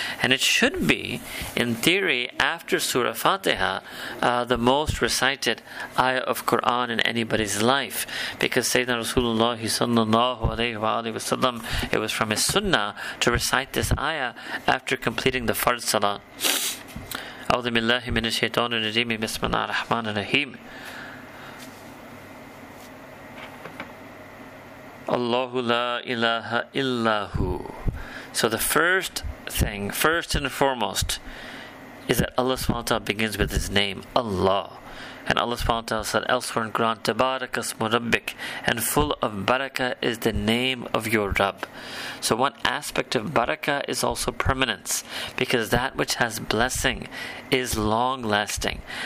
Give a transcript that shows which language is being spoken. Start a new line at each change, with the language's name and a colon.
English: And it should be, in theory, after Surah Fatiha, the most recited ayah of Quran in anybody's life. Because Sayyidina Rasulullah sallallahu alayhi wa sallam, it was from his sunnah to recite this ayah after completing the Fard Salah.
Arabic: أعوذ بالله من الشيطان الرجيم بسم الله الرحمن الرحيم الله لا إله إلا هو.
English: So the first thing, first and foremost, is that Allah subhanahu wa ta'ala begins with His name, Allah. And Allah subhanahu wa ta'ala said elsewhere in Quran,
Arabic: Tabaraka ismu rabbik,
English: and full of barakah is the name of your Rabb. So one aspect of barakah is also permanence, because that which has blessing is long-lasting.